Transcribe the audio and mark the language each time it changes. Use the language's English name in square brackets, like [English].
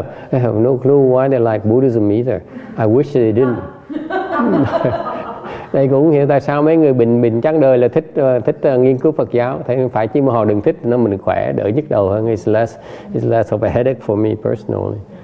[English] I have no clue why they like Buddhism either. I wish they didn't. [Vietnamese] Đây cũng hiểu tại sao mấy người bình chán đời là thích nghiên cứu Phật giáo. Thế phải chứ mà họ đừng thích nó mình khỏe đỡ nhức đầu hơn. [English] It's less of a headache for me personally.